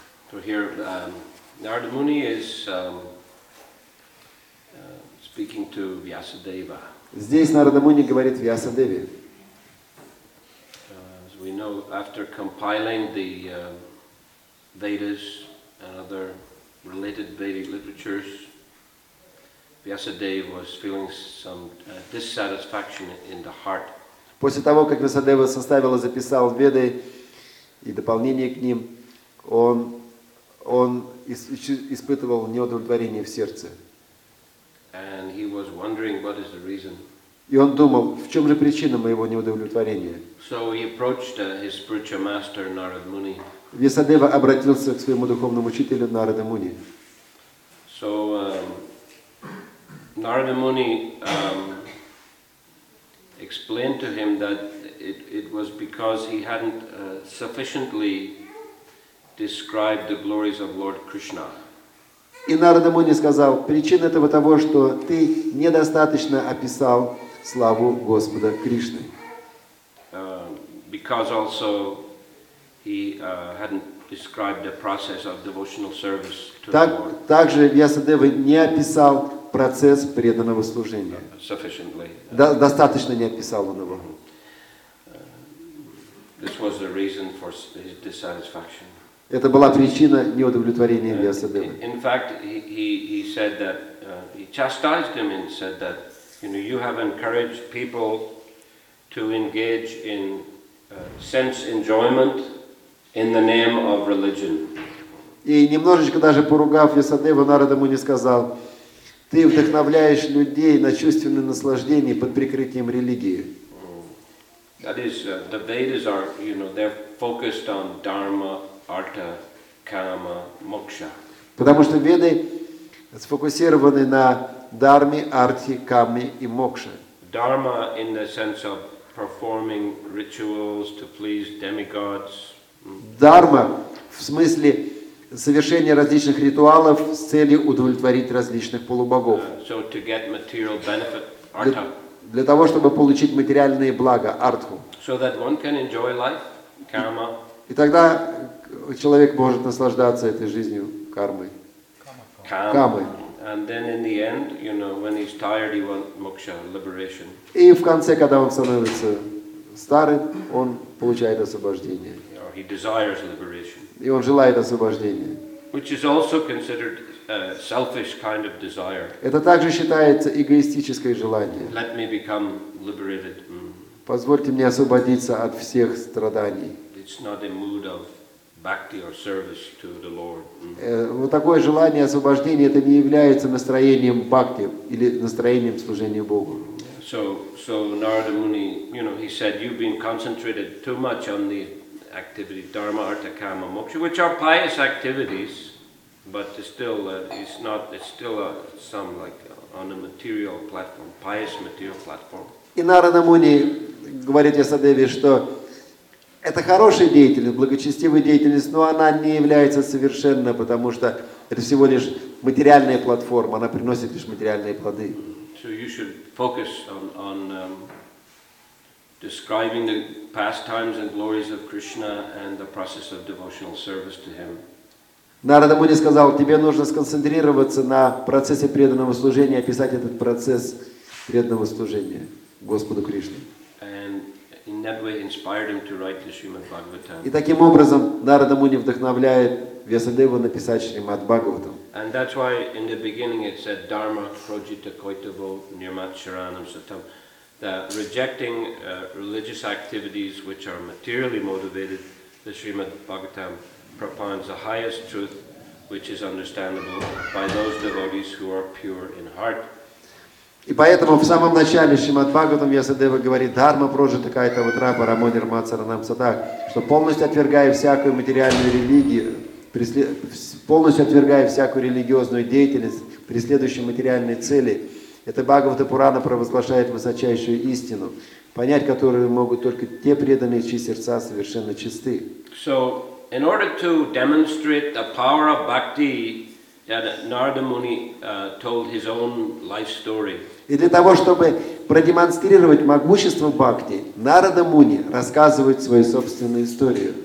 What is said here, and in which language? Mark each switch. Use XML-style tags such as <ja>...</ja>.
<en>So here, Narada Muni is speaking to Vyasadeva.</en> <ru>Здесь Нарада Муни говорит Вьясадеве.</ru> <en>As we know, after compiling the Vedas and other related Vedic literatures, Vyasadeva was feeling some dissatisfaction in the heart.</en> <ru>После того, как Vyasadeva составил и записал Веды и дополнение к ним, он испытывал неудовлетворение в сердце.</ru> <en>And he was wondering what is the reason.</en> <ru>И он думал, в чем же причина моего неудовлетворения?</ru> <en>So he approached his spiritual master Narada Muni.</en> <ru>Vyasadeva обратился к своему духовному учителю Narada Muni.</ru> <en>So Narada Muni explained to him that it was because he hadn't sufficiently described the glories of Lord Krishna.</en> <ru>И Narada Muni сказал, причина этого того, что ты недостаточно описал славу Господа Кришны.</ru> <en>Because also he hadn't described the process of devotional service to the Lord.</en> <ru>Также Vyasadeva не описал процесс преданного служения.</ru> <en>Sufficiently.</en> <ru>Достаточно не описал он его.</ru> <en>This was the reason for his dissatisfaction.</en> <ru>Это была причина неудовлетворения Vyasadevы.</ru> <en>In fact, he said that he chastised him and said that you know you have encouraged people to engage in sense enjoyment in the name of religion.</en> <ru>И немножечко даже поругав Vyasadeva, Narada Muni сказал: "Ты вдохновляешь людей на чувственные наслаждения под прикрытием религии."</ru> <en>That is the Vedas are, you know, they're focused on dharma, artha, kama, moksha.</en> <ru>Потому что Веды сфокусированы на дхарме, артхе, камме и мокше.</ru> <en>Dharma in the sense of performing rituals to please demigods.</en> <ru>Дхарма в смысле совершения различных ритуалов с целью удовлетворить различных полубогов.</ru> <en>So to get material benefit, artha.</en> <ru>Для того, чтобы получить материальные блага, артху.</ru> <en>So that one can enjoy life, karma.</en> <ru>И тогда человек может наслаждаться этой жизнью, кармой. Камой.</ru> <en>And then in the end, you know, when he's tired, he wants moksha, liberation.</en> <ru>И в конце, когда он становится старым, он получает освобождение.</ru> <en>Or he desires liberation.</en> <ru>И он желает освобождения.</ru> <en>Which is also considered a selfish kind of desire.</en> <ru>Это также считается эгоистическое желание.</ru> <en>Let me become liberated.</en> <ru>Позвольте мне освободиться от всех страданий.</ru> <en>It's not a mood of bhakti or service to the Lord.</en> <ru>Вот такое желание освобождения это не является настроением бхакти или настроением служения Богу.</ru> <en>So Narada Muni, you know, he said you've been concentrated too much on the activity dharma, artha, kama, moksha, which are pious activities, but still on a material platform, pious material platform.</en> <ru>И Narada Muni говорит Vyasadeve, что это хорошая деятельность, благочестивая деятельность, но она не является совершенна, потому что это всего лишь материальная платформа, она приносит лишь материальные плоды.</ru> <en>So you should focus on describing the pastimes and glories of Krishna and the process of devotional service to him.</en> <ru>Narada Muni сказал, тебе нужно сконцентрироваться на процессе преданного служения, описать этот процесс преданного служения Господу Кришне.</ru> <en>In that way, inspired him to write the Srimad Bhagavatam.</en> <ru>И таким образом Narada Muni вдохновляет Vyasadeva написать Srimad Bhagavatam.</ru> <en>And that's why in the beginning it said</en> <sa>Dharma Projita Koitavo Nirmat Sharanam Satam,</sa> <en>that rejecting religious activities which are materially motivated, the Srimad Bhagavatam propounds the highest truth, which is understandable by those devotees who are pure in heart.</en> <ru>И поэтому в самом начале Шримад Бхагаватам Вьясадева говорит</ru> <sa>«Дхарма прожита кайта утра парамонир мацаранам садах»,</sa> <ru>что полностью отвергая всякую материальную религию, полностью отвергая всякую религиозную деятельность, преследующую материальные цели, эта Бхагавата Пурана провозглашает высочайшую истину, понять которую могут только те преданные, чьи сердца совершенно чисты.</ru> <en>So, in order to demonstrate the power of bhakti, that Narada Muni told his own life story.</en> <ru>И для того, чтобы продемонстрировать могущество бхакти, Narada Muni рассказывает свою собственную историю.</ru>